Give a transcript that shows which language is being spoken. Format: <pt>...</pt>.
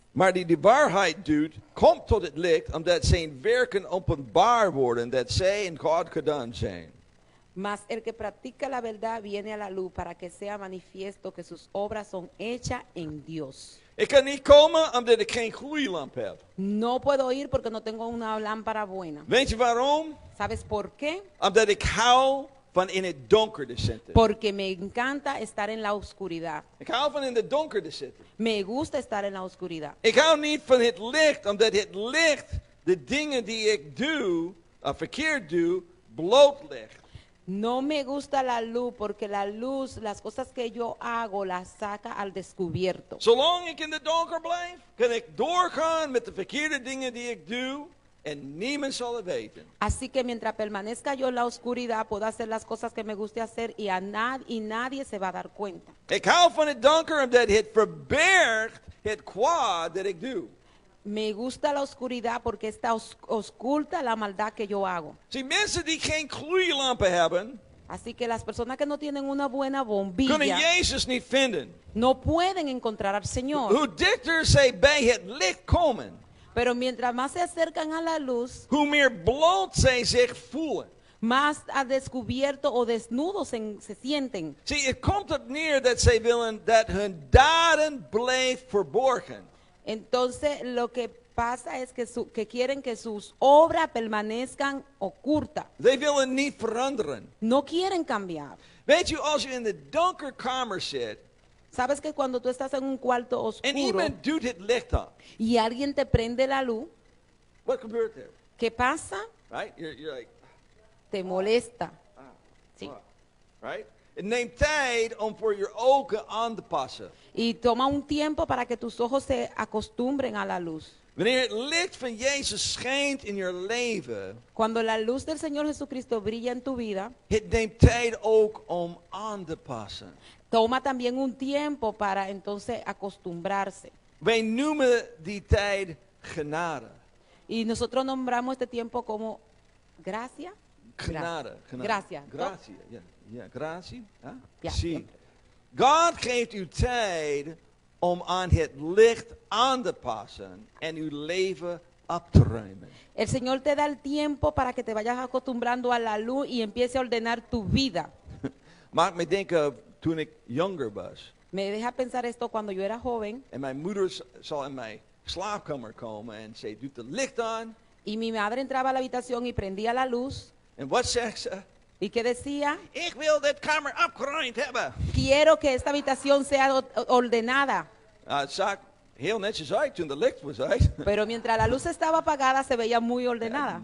<nl>Maar die de waarheid doet, komt tot het licht, omdat zijn werken openbaar worden, dat zij in God gedaan zijn.</nl> <es>Mas el que practica la verdad viene a la luz para que sea manifiesto que sus obras son hechas en Dios.</es> <nl>Ik kan niet komen omdat ik geen goede lamp heb.</nl> <es>No puedo ir porque no tengo una lámpara buena.</es> <nl>Weet je waarom?</nl> <es>¿Sabes por qué?</es> <nl>Omdat ik hou van in het donker te zitten.</nl> <es>Porque me encanta estar en la oscuridad.</es> <nl>Ik hou van in het donker te zitten.</nl> <es>Me gusta estar en la oscuridad.</es> <nl>Ik hou niet van het licht, omdat het licht de dingen die ik doe, verkeerd doe, blootlegt.</nl> <es>No me gusta la luz porque la luz, las cosas que yo hago, las saca al descubierto.</es> <nl>Zolang ik in het donker blijf, kan ik doorgaan met de verkeerde dingen die ik doe en niemand zal het weten.</nl> <es>Así que mientras permanezca yo en la oscuridad, puedo hacer las cosas que me guste hacer y nadie se va a dar cuenta.</es> <nl>Ik hou van het donker omdat het verbergt het kwaad dat ik doe.</nl> <es>Me gusta la oscuridad porque está oculta la maldad que yo hago.</es> <nl>Si mensen die geen gloeilampen hebben,</nl> <es>así que las personas que no tienen una buena bombilla,</es> <nl>kunnen Jezus niet vinden.</nl> <es>No pueden encontrar al Señor.</es> <nl>Hoe dichter ze bij het licht komen,</nl> <es>pero mientras más se acercan a la luz,</es> <nl>hoe meer bloot ze zich voelen.</nl> <es>Más a descubierto o desnudo se sienten.</es> <nl>Si, het komt op neer dat ze willen dat hun daden blijven verborgen.</nl> <es>Entonces lo que pasa es que que quieren que sus obras permanezcan ocultas.</es> <nl>They willen niet veranderen.</nl> <es>No quieren cambiar.</es> <nl>Weet je, als je in de donker kamer zit,</nl> <es>sabes que cuando tú estás en un cuarto oscuro,</es> <nl>and iemand doet het licht op,</nl> <es>y alguien te prende la luz,</es> <en>what compared to?</en> <es>¿Qué pasa?</es> <en>Right? You're like,</en> <es>te molesta. Sí.</es> <en>Right?</en> <nl>It neemt tijd om voor je ogen aan te passen.</nl> <es>Y toma un tiempo para que tus ojos se acostumbren a la luz.</es> <nl>Wanneer het licht van Jezus schijnt in je leven,</nl> <es>cuando la luz del Señor Jesucristo brilla en tu vida,</es> <nl>het neemt tijd ook om aan te passen.</nl> <es>Toma también un tiempo para entonces acostumbrarse.</es> <nl>Wij noemen die tijd genade.</nl> <es>Y nosotros nombramos este tiempo como gracia.</es> <nl>Genade.</nl> <es>Gracias.</es> <nl>Gracias. Ja, gratie. Ja. Zie. God geeft u tijd om aan het licht aan te passen en uw leven op te ruimen.</nl> <es>El Señor te da el tiempo para que te vayas acostumbrando a la luz y empiece a ordenar tu vida.</es> <nl>Maak me denken toen ik younger was.</nl> <es>Me deja pensar esto cuando yo era joven.</es> <nl>En mijn moeder zal in mijn slaapkamer komen en ze doet het licht aan.</nl> <es>Y mi madre entraba a la habitación y prendía la luz.</es> <nl>En wat zegt ze?</nl> <es>¿Y qué decía?</es> <nl>Ik wil dit kamer opgeruimd hebben.</nl> <es>Quiero que esta habitación sea ordenada.</es> <nl>Het zag heel netjes uit toen de licht was uit.</nl> <es>Pero mientras la luz estaba apagada se veía muy ordenada.</es>